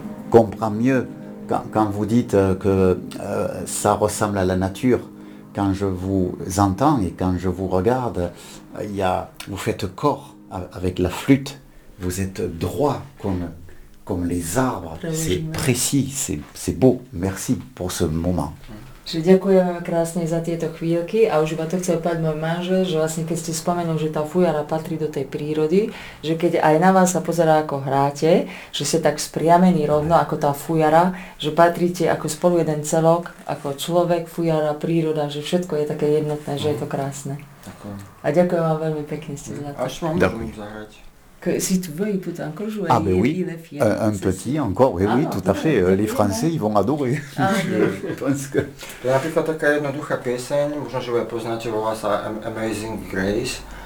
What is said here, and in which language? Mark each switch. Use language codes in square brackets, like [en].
[fr] Comprends mieux quand vous dites que ça ressemble à la nature. Quand je vous entends et quand je vous regarde, vous faites corps avec la flûte. Vous êtes droit comme les arbres. C'est précis, c'est beau. Merci pour ce moment. [sk] Že ďakujeme krásne za tieto chvíľky a už iba to chcel povedať môj manžel, že vlastne keď ste spomenuli, že tá fujara patrí do tej prírody, že keď aj na vás sa pozerá ako hráte, že ste tak spriamení rovno ako tá fujara, že patríte ako spolu jeden celok, ako človek, fujara, príroda, že všetko je také jednotné, že je to krásne. Ďakujem. A ďakujem vám veľmi pekne, ste za to. Až vám môžem zahrať. [fr] Si tu veux, il peut encore jouer. Ah, mais oui, un petit encore, oui, oui, tout à fait. Les Français, ils vont adorer. Je pense que. Il y a une pièce, je pense que vous avez connu Amazing Grace.